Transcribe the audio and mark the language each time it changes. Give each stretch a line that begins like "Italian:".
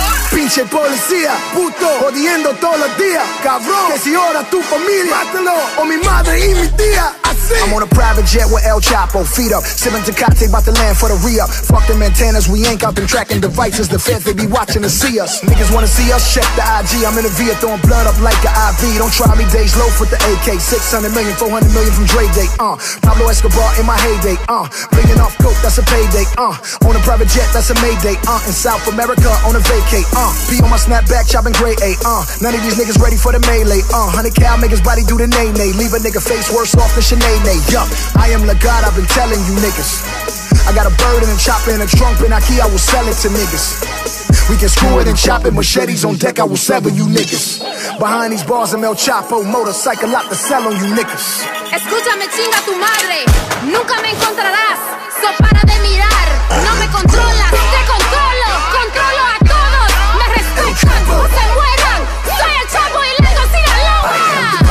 Spanish: Pinche policía, puto, jodiendo todos los días. Cabrón, que si ahora tu familia, mátalo, o mi madre y mi tía.
English: I'm on a private jet with El Chapo, feet up. Sipping Tecate, about to land for the re-up. Fuck them antennas, we ain't got them tracking devices. The feds, they be watching to see us. Niggas wanna see us, check the IG. I'm in a Via throwing blood up like an IV. Don't try me, Dej Loaf with the AK. 600 million, 400 million from Dre Day, Pablo Escobar in my heyday, Bringing off coke, that's a payday, On a private jet, that's a mayday, In South America, on a vacay, Be on my snapback, chopping gray A, None of these niggas ready for the melee, 100 cal, make his body do the nay-nay. Leave a nigga face worse off than Sinead. Yo, I am the God, I've been telling you niggas. I got a bird and a chopper and a trunk and a key, I will sell it to niggas. We can screw it and chop it, machetes on deck, I will sever you niggas. Behind these bars, I'm El Chapo, motorcycle out to sell on you niggas.
Spanish: Escúchame, chinga tu madre, nunca me encontrarás. So para de mirar, no me controlas, te controlo, controlo a todos. Me respetan, no se mueran, soy El Chapo y lento, siga la hora.